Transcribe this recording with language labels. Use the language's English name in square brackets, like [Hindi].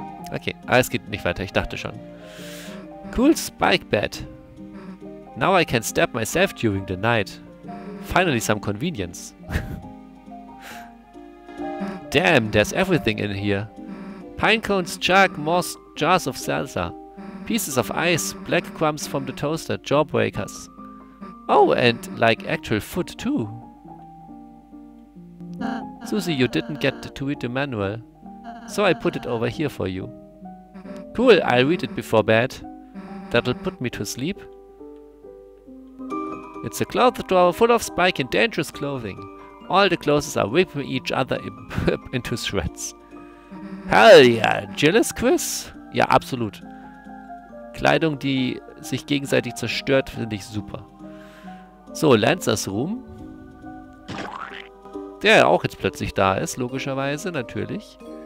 [German] Okay, ah, es geht nicht weiter, ich dachte schon. [English] Cool spike bed. Now I can stab myself during the night. Finally some convenience. Damn, there's everything in here. Pinecones, chalk, moss, jars of salsa, pieces of ice, black crumbs from the toaster, jawbreakers. Oh, and like actual food too. Susie, you didn't get to read the manual, so I put it over here for you. Cool, I'll read it before bed. That'll put me to sleep. It's a cloth drawer full of spike and dangerous clothing. All the clothes are ripping each other into shreds. Hell yeah, jealous Chris? [German] Ja, absolut. Kleidung, die sich gegenseitig zerstört, finde ich super. [English] So, Lancers Room. [German] Der auch jetzt plötzlich da ist, logischerweise, natürlich.